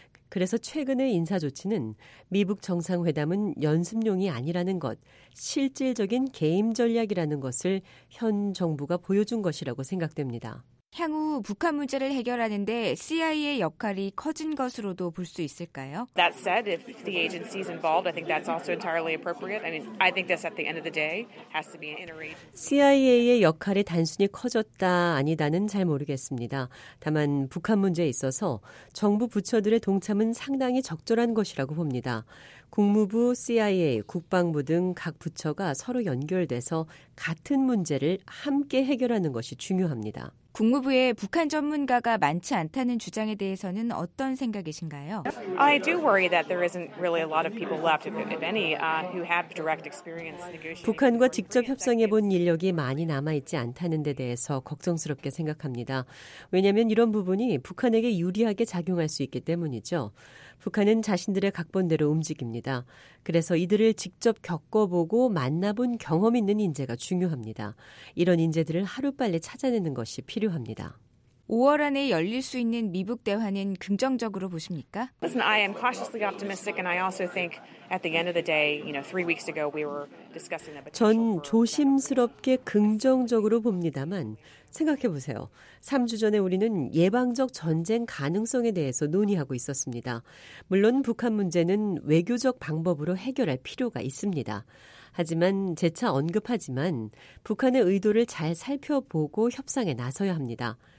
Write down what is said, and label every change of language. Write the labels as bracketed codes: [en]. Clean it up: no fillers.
[ko] 그래서 최근의 인사 조치는 미북 정상회담은 연습용이 아니라는 것, 실질적인 게임 전략이라는 것을 현 정부가 보여준 것이라고 생각됩니다. 향후 북한 문제를 해결하는데 CIA의 역할이 커진 것으로도 볼 수 있을까요? [en] That said, if the agency is involved, I think that's also entirely appropriate. I mean, I think this at the end of the day has to be an interagency. [ko] CIA의 역할이 단순히 커졌다 아니다는 잘 모르겠습니다. 다만 북한 문제에 있어서 정부 부처들의 동참은 상당히 적절한 것이라고 봅니다. 국무부, CIA, 국방부 등 각 부처가 서로 연결돼서 같은 문제를 함께 해결하는 것이 중요합니다. 국무부에 북한 전문가가 많지 않다는 주장에 대해서는 어떤 생각이신가요? [en] I do worry that there isn't really a lot of people left, if any, who have direct experience negotiating. [ko] 북한과 직접 협상해 본 인력이 많이 남아 있지 않다는 데 대해서 걱정스럽게 생각합니다. 왜냐하면 이런 부분이 북한에게 유리하게 작용할 수 있기 때문이죠. 북한은 자신들의 각본대로 움직입니다. 그래서 이들을 직접 겪어보고 만나본 경험 있는 인재가 중요합니다. 이런 인재들을 하루빨리 찾아내는 것이 필요합니다. 5월 안에 열릴 수 있는 미북 대화는 긍정적으로 보십니까? [en] Listen, I am cautiously optimistic and I also think at the end of the day, you know, 3 weeks ago we were discussing that. [ko] 전 조심스럽게 긍정적으로 봅니다만 생각해 보세요. 3주 전에 우리는 예방적 전쟁 가능성에 대해서 논의하고 있었습니다. 물론 북한 문제는 외교적 방법으로 해결할 필요가 있습니다. 하지만 재차 언급하지만 북한의 의도를 잘 살펴보고 협상에 나서야 합니다.